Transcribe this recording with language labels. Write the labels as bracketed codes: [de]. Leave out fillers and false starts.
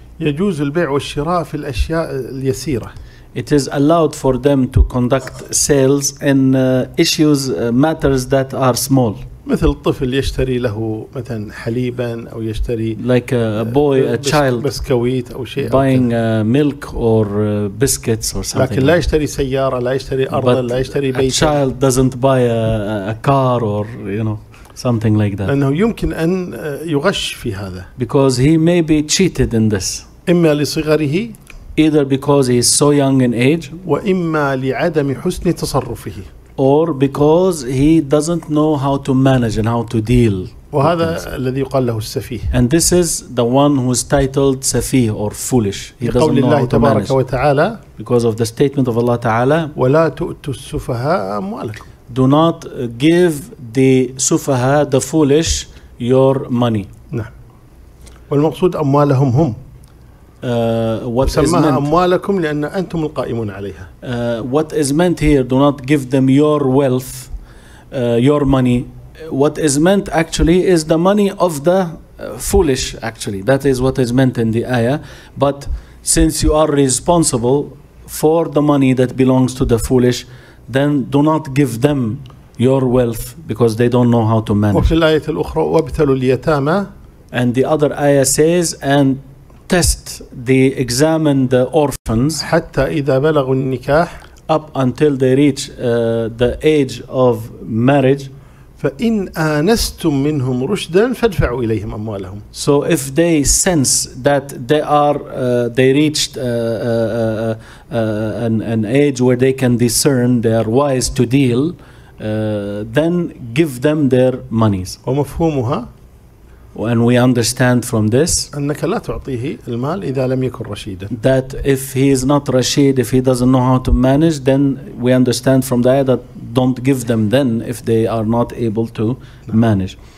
[ar] يجوز البيع والشراء في الأشياء اليسيرة. [en] It is allowed for them to conduct sales in issues matters that are small. [ar] مثل الطفل يشتري له مثلا حليبا أو يشتري [en] like a child [ar] بسكويت أو شيء [en] buying milk or biscuits or something. [ar] لكن لا يشتري سيارة, لا يشتري أرض, لا يشتري بيت. [en] A child doesn't buy a car or you know something like that. [ar] لأنه يمكن أن يغش في هذا. [en] Because he may be cheated in this. [ar] إما لصغره. [en] Either because he is so young in age. [ar] وإما لعدم حسن تصرفه. [en] Or because he doesn't know how to manage and how to deal. [ar] وهذا الذي يقال له السفيه. [en] And this is the one who is titled سفيه or foolish. He doesn't know [ar] الله [en] how to manage. [ar] وتعالى. [en] Because of the statement of Allah Ta'ala. [ar] ولا تؤتوا السفهاء أموالكم. [en] Do not give the سفهاء, the foolish, your money. [ar] نعم. والمقصود أموالهم هم. وسماها أموالكم لأن أنتم القائمون عليها. [en] What is meant here, do not give them your wealth, your money. What is meant actually is the money of the foolish actually. That is what is meant in the ayah. But since you are responsible for the money that belongs to the foolish, then do not give them your wealth because they don't know how to manage. [ar] وفي الآية الأخرى وابتلوا اليتامى. [en] And the other ayah says and test the examine the orphans [ar] حتى إذا بلغوا النكاح [en] up until they reach the age of marriage [ar] فإن آنستم منهم رشدا فادفعوا إليهم أموالهم. [en] So if they sense that they reached an age where they can discern, they are wise to deal, then give them their monies. [ar] ومفهومها [en] And we understand from this [ar] أنك لا تعطيه المال إذا لم يكن رشيدا. [en] That if he is not rashid, if he doesn't know how to manage, then we understand from that that don't give them then if they are not able to manage.